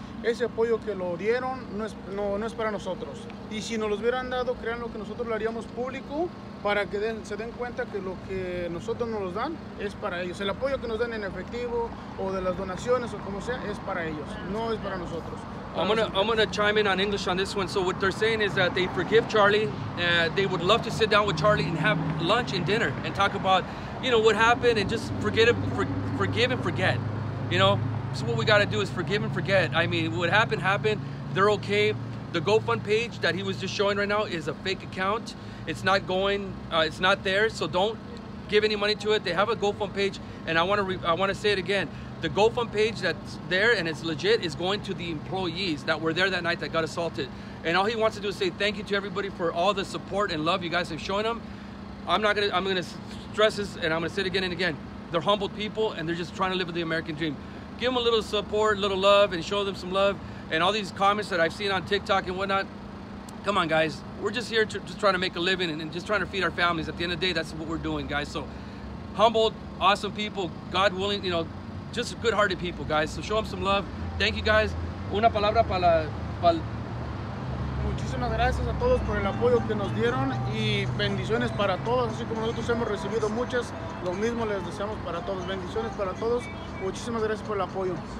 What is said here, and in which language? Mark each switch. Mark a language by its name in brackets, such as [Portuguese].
[Spanish] Ese apoyo que lo dieron no es para nosotros. Y si nos lo hubieran dado, créanlo que nosotros lo haríamos público para que se den cuenta que lo que nosotros nos dan es para ellos. El apoyo que nos dan en efectivo o de las donaciones o como sea, es para ellos, no es para nosotros. [English] I'm gonna chime in on English on this one. So what they're saying is that they forgive Charlie. They would love to sit down with Charlie and have lunch and dinner and talk about, you know, what happened and just forget it, forgive and forget. You know, so what we got to do is forgive and forget. I mean, what happened happened. They're okay. The GoFundMe page that he was just showing right now is a fake account. It's not going. It's not there. So don't give any money to it. They have a GoFundMe page, and I want to say it again. The GoFundMe page that's there and it's legit is going to the employees that were there that night that got assaulted. And all he wants to do is say thank you to everybody for all the support and love you guys have shown him. I'm gonna stress this and I'm gonna say it again and again. They're humbled people and they're just trying to live the American dream. Give them a little support, a little love, and show them some love. And all these comments that I've seen on TikTok and whatnot, come on guys. We're just here just trying to make a living and just trying to feed our families. At the end of the day, that's what we're doing, guys. So humbled, awesome people, God willing, you know, just good-hearted people, guys. So show them some love. Thank you, guys. [Spanish] Una palabra para... Muchísimas gracias a todos por el apoyo que nos dieron y bendiciones para todos. Así como nosotros hemos recibido muchas, lo mismo les deseamos para todos. Bendiciones para todos. Muchísimas gracias por el apoyo.